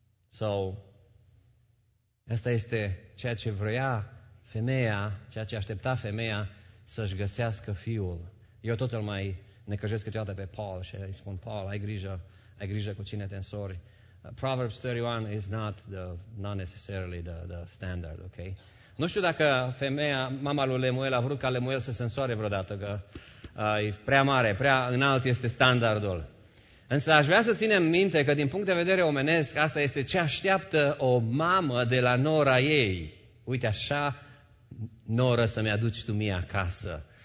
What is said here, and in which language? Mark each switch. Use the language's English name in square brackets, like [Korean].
[Romanian] Sau, asta este ceea ce vrea femeia, ceea ce aștepta femeia, să-și găsească fiul. Eu tot îl mai necăjesc câteodată pe Paul și îi spun, Paul, ai grijă cu cine te însori. [English] Proverbs 31 is not necessarily the standard, okay? [Romanian] Nu știu dacă femeia, mama lui Lemuel, a vrut ca Lemuel să se însoare vreodată, că e prea mare, prea înalt este standardul. Însă aș vrea să ținem minte că din punct de vedere omenesc, asta este ce așteaptă o mamă de la nora ei. Uite așa, noră, să-mi aduci tu mie acasă.